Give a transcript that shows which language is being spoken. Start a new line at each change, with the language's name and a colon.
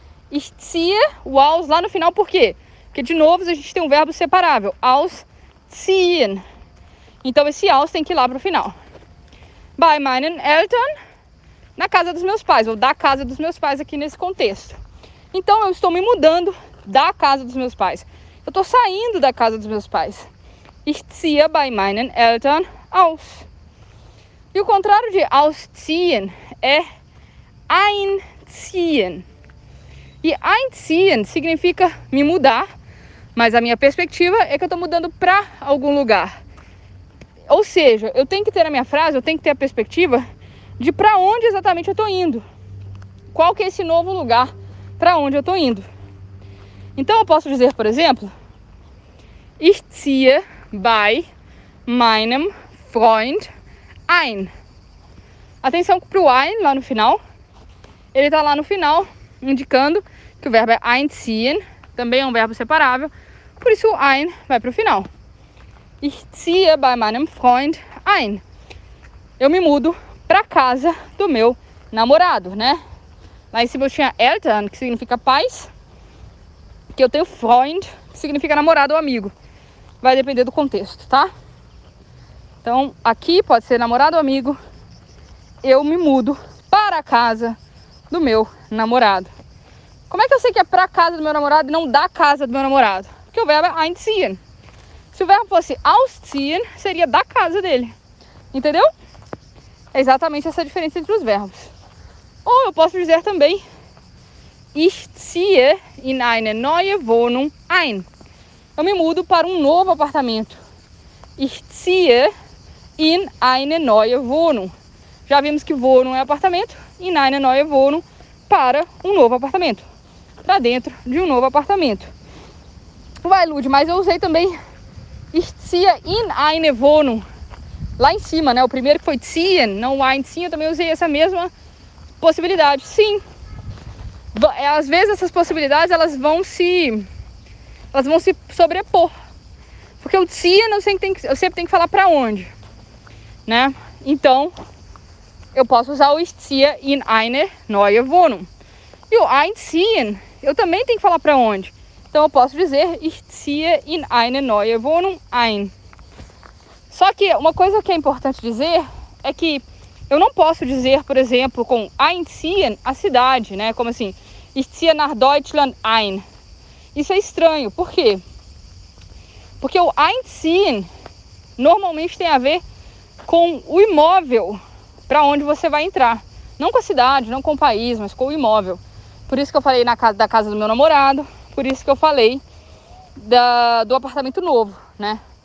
German: Ich ziehe
Portuguese: o aus lá no final, por quê? Porque de novo a gente tem um verbo separável, ausziehen. Então esse aus tem que ir lá para o final.
German: Bei meinen Eltern,
Portuguese: na casa dos meus pais, ou da casa dos meus pais aqui nesse contexto. Então eu estou me mudando da casa dos meus pais. Eu estou saindo da casa dos meus pais.
German: Ich ziehe bei meinen Eltern aus.
Portuguese: E o contrário de ausziehen é einziehen. E einziehen significa me mudar, mas a minha perspectiva é que eu estou mudando para algum lugar. Ou seja, eu tenho que ter a minha frase, eu tenho que ter a perspectiva de para onde exatamente eu estou indo. Qual que é esse novo lugar para onde eu estou indo? Então eu posso dizer, por exemplo,
German: ich ziehe bei meinem Freund ein.
Portuguese: Atenção para o ein lá no final. Ele está lá no final, indicando que o verbo é einziehen, também é um verbo separável, por isso o ein vai para o final.
German: Ich ziehe bei meinem Freund ein.
Portuguese: Eu me mudo para casa do meu namorado, né? Lá em cima eu tinha Eltern, que significa pais, que eu tenho Freund, que significa namorado ou amigo. Vai depender do contexto, tá? Então, aqui pode ser namorado ou amigo. Eu me mudo para a casa do meu namorado. Como é que eu sei que é para a casa do meu namorado e não da casa do meu namorado? Porque o verbo é einziehen. Se o verbo fosse ausziehen, seria da casa dele. Entendeu? É exatamente essa diferença entre os verbos. Ou eu posso dizer também,
German: ich ziehe in eine neue Wohnung ein.
Portuguese: Eu me mudo para um novo apartamento.
German: Ich ziehe in eine neue Wohnung.
Portuguese: Já vimos que Wohnung é apartamento.
German: In eine neue Wohnung,
Portuguese: para um novo apartamento. Para dentro de um novo apartamento. Vai, Lud, mas eu usei também
German: ich ziehe in eine Wohnung.
Portuguese: Lá em cima, né? O primeiro que foi ziehen, não einziehen. Eu também usei essa mesma possibilidade. Sim. Às vezes essas possibilidades, elas vão se sobrepor. Porque o ziehen, eu sempre tenho que falar para onde. Né? Então, eu posso usar o
German: ich ziehe in eine neue Wohnung.
Portuguese: E o einziehen, eu também tenho que falar para onde. Então eu posso dizer
German: ich ziehe in eine neue Wohnung ein.
Portuguese: Só que uma coisa que é importante dizer é que eu não posso dizer, por exemplo, com einziehen a cidade, né? Como assim,
German: ich ziehe nach Deutschland ein.
Portuguese: Isso é estranho. Por quê? Porque o einziehen normalmente tem a ver com o imóvel para onde você vai entrar. Não com a cidade, não com o país, mas com o imóvel. Por isso que eu falei da casa do meu namorado, por isso que eu falei do apartamento novo, né?